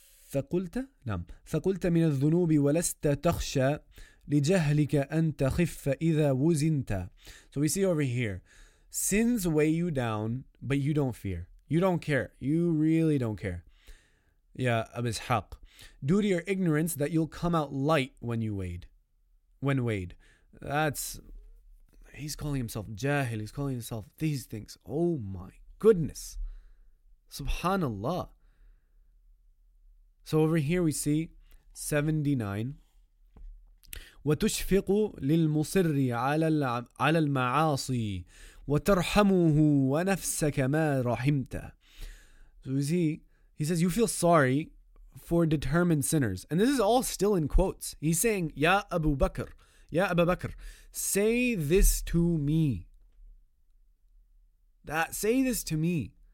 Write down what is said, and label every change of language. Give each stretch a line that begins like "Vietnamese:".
Arabic: ثقلت نعم ثقلت من الذنوب ولست تخشى لجهلك أن تخف إذا وزنت.
English: So we see over here, sins weigh you down, but you don't fear. You don't care. You really don't care. Yeah, Abu Ishaq. Due to your ignorance, that you'll come out light when you wade. When wade. That's, he's calling himself jahil. He's calling himself these things. Oh my goodness. Subhanallah. So over here we see 79.
Arabic: وتشفق للمصر على المعاصي وترحمه ونفسك ما رحمت.
English: So he says, you feel sorry for determined sinners. And this is all still in quotes. He's saying, Ya Abu Bakr, say this to me. That, say this to me.